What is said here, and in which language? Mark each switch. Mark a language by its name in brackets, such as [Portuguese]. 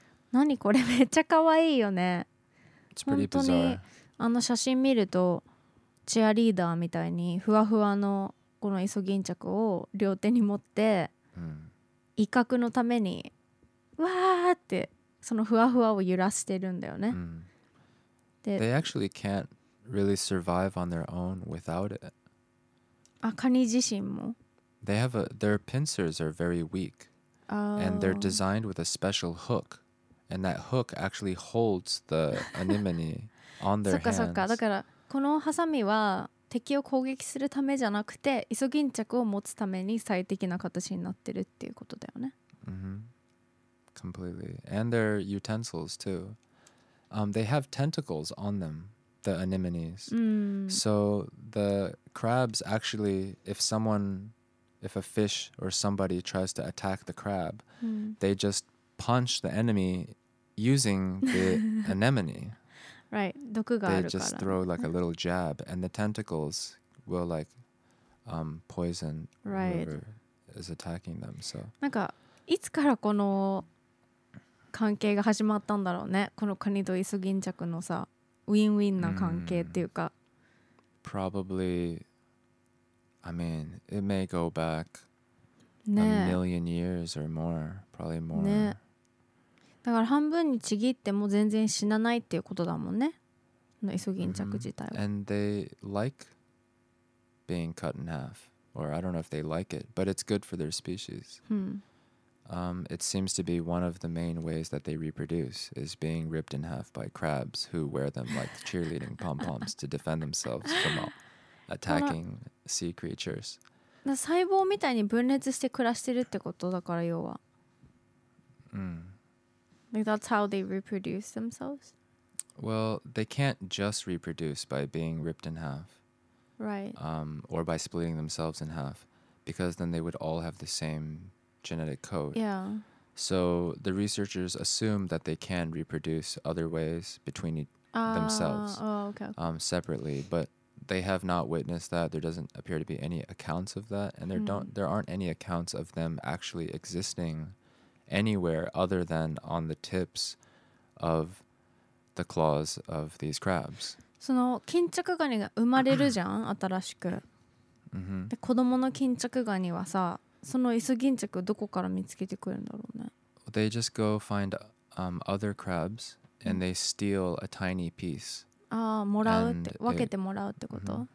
[Japanese] 何これ、めっちゃ可愛いよね。本当にあの写真見るとチアリーダーみたいにふわふわのこのイソギンチャクを両手に持って威嚇のためにわーってそのふわふわを揺らしてるんだよね。 [English] で、They actually can't really survive on their own without it. [Japanese] あ、カニ自身も。 [English] They have their pincers are very weak. And they're designed with a special hook. And that hook actually holds the anemone on their hands. [Japanese] そっかそっか。だから、このハサミは敵を攻撃するためじゃなくて、イソギンチャクを持つために最適な形になってるっていうことだよね。 [English] Completely. And their utensils too. They have tentacles on them, the anemones. So the crabs actually, if a fish or somebody tries to attack the crab, they just punch the enemy using the anemone. Right. [Japanese] 毒があるから。 [English] They just throw like a little jab and the tentacles will like poison whoever is attacking them. So. [Japanese] なんかいつからこの関係が始まったんだろうね。このカニとイソギンチャクのさ、ウィンウィンな関係っていうか。 [English] Probably, I mean, it may go back a million years or more. Probably more. [Japanese] ね。だから半分にちぎっても全然死なないっていうことだもんね。のイソギンチャク自体は。 [English] And they like being cut in half, or I don't know if they like it, but it's good for their species. It seems to be one of the main ways that they reproduce is being ripped in half by crabs who wear them like cheerleading pom-poms to defend themselves from attacking sea creatures. [Japanese] 細胞みたいに分裂して暮らしてるってことだから要は。 [English] Like that's how they reproduce themselves? Well, they can't just reproduce by being ripped in half. Right. Or by splitting themselves in half, because then they would all have the same... genetic code. Yeah. So the researchers assume that they can reproduce other ways between themselves. Oh, okay. Separately, but they have not witnessed that. There doesn't appear to be any accounts of that, and there aren't any accounts of them actually existing anywhere other than on the tips of the claws of these crabs. [Japanese] その巾着ガニが生まれるじゃん、新しく。で、子供の巾着ガニはさ、そのイソギンチャクどこから見つけてくるんだろうね。 [English] They just go find other crabs and they steal a tiny piece. [Japanese] ああ、もらうって、分けてもらうってこと?